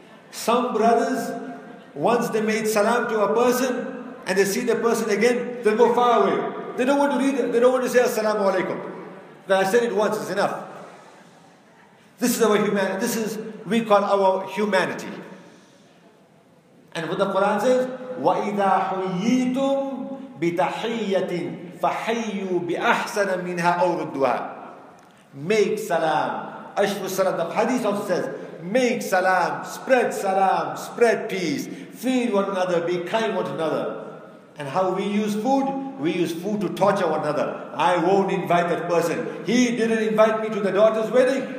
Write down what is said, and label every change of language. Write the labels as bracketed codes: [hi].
[en] Some brothers, once they made salam to a person and they see the person again, they go far away. They don't want to read it, they don't want to say Assalamu alaikum. But I said it once, it's enough. This is our humanity. This is we call our humanity. And what the Quran says, [ar] وَإِذَا حُيِّيتُمْ بِتَحِيَّةٍ فَحَيُّوا بِأَحْسَنَ مِنْهَا أَوْ رُدُّهَا. [en] Make salam. Ashru salam. The hadith also says, make salam, spread peace, feed one another, be kind one another. And how we use food? We use food to torture one another. I won't invite that person. He didn't invite me to the daughter's wedding.